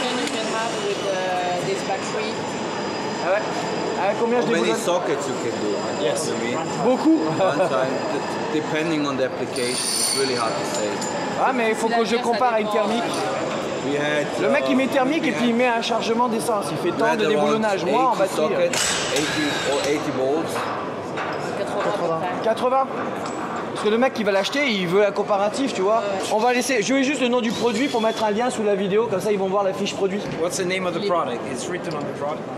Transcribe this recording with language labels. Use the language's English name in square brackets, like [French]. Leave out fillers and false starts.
[English] You can have with this battery. [French] Ah ouais? Combien [English] how many sockets you can do? Yes. [French] Beaucoup. [English] Depending on the application, it's really hard to say. [French] Ah mais il faut que je compare à une thermique. Le mec il met thermique et puis il met un chargement d'essence. Il fait tant de déboulonnage. Moi en batterie. [English] Sockets, 80 volts. 80. [French] Parce que le mec qui va l'acheter, il veut un comparatif, tu vois. On va laisser. Je vais juste le nom du produit pour mettre un lien sous la vidéo, comme ça ils vont voir la fiche produit. [English] What's the name of the product? It's written on the product.